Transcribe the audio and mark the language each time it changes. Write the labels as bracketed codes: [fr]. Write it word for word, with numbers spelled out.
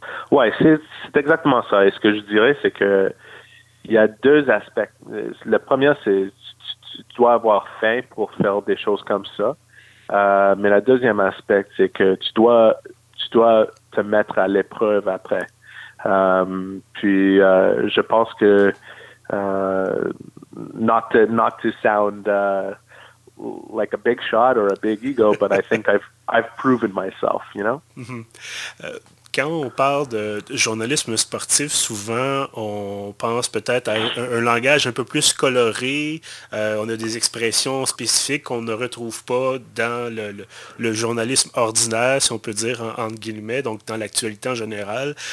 [fr] Oui, c'est, c'est exactement ça. Et ce que je dirais, c'est que il y a deux aspects. Le premier, c'est tu, tu dois avoir faim pour faire des choses comme ça. Euh, mais le deuxième aspect, c'est que tu dois tu dois te mettre à l'épreuve après. Euh, puis euh, je pense que euh, [en] not to, not to sound uh, like a big shot or a big ego, but I think I've I've proven myself, you know. Mm-hmm. [fr] Uh- Quand on parle de journalisme sportif, souvent, on pense peut-être à un, un langage un peu plus coloré. Euh, on a des expressions spécifiques qu'on ne retrouve pas dans le, le, le journalisme ordinaire, si on peut dire, en, entre guillemets, donc dans l'actualité en général.